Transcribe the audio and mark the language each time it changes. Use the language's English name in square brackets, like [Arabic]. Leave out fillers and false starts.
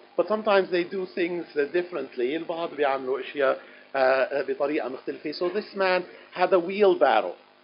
[English] But sometimes they do things differently. [Arabic] البعض بيعملوا أشياء بطريقة مختلفة. [English] So this man had a wheelbarrow.